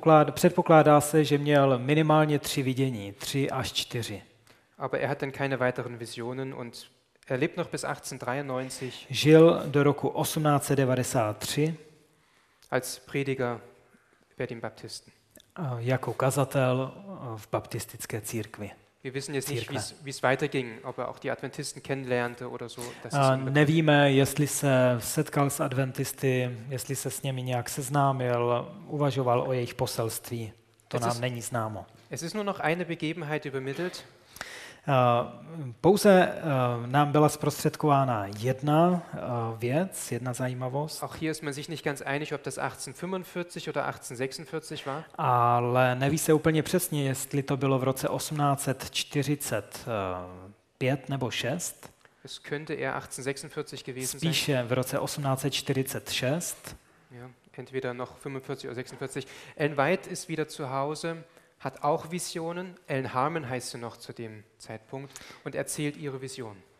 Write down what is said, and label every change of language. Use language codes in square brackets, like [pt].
[cs] Předpokládá se, že měl minimálně 3 vidění, 3 až 4. [de] Aber er hat dann keine weiteren Visionen und er lebt noch bis 1893. [cs] Žil do roku 1893 [de] als Prediger bei den Baptisten. [cs] Jako kazatel v baptistické církvi. [de] Wir wissen jetzt nicht, wie es weiterging, ob er auch die Adventisten kennenlernte oder so. [cs] Nevíme, jestli se setkal s Adventisty, jestli se s nimi nějak seznámil, uvažoval o jejich poselství. To nám není známo. [de] Es ist nur noch eine Begebenheit übermittelt. [cs] Pouze nám byla zprostředkována jedna věc, jedna zajímavost. [de] Auch hier ist man sich nicht ganz einig, ob das 1845 oder 1846 war. [cs] Ale neví se úplně přesně, jestli to bylo v roce 1845 nebo 6. [de] Es könnte eher 1846 gewesen sein. [cs] Spíše v roce 1846. [de] Ja, entweder noch 45 oder 46. Ellen White ist wieder zu Hause. Hat auch Visionen. Ellen Harmon heißt sie noch zu dem Zeitpunkt und erzählt ihre Vision.